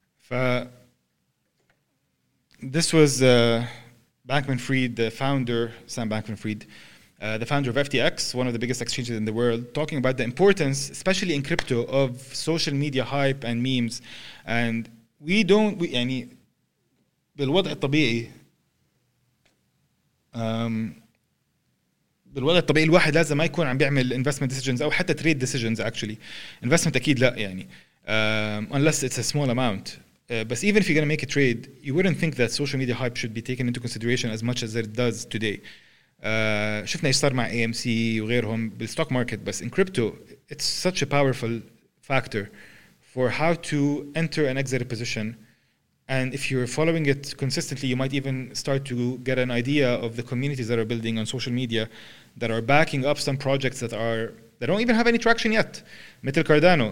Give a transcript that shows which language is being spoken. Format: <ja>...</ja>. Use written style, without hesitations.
<en>This was Bankman-Fried, the founder, Sam Bankman-Fried, the founder of FTX, one of the biggest exchanges in the world, talking about the importance, especially in crypto, of social media hype and memes. And we don't, we,</en> <ar>يعني, بالوضع الطبيعي, بالوضع الطبيعي الواحد لازم ما يكون عم بيعمل</ar> <en>investment decisions</en> <ar>أو حتى</ar> <en>trade decisions actually. Investment</en> <ar>أكيد لا يعني,</ar> <en>unless it's a small amount. But even if you're going to make a trade, you wouldn't think that social media hype should be taken into consideration as much as it does today.</en> <ar>شفنا إيش صار مع AMC وغيرهم بالستوك ماركت,</ar> <en>بس in crypto it's such a powerful factor for how to enter and exit a position, and if you're following it consistently you might even start to get an idea of the communities that are building on social media that are backing up some projects that don't even have any traction yet,</en> <ar>مثل كاردانو.</ar>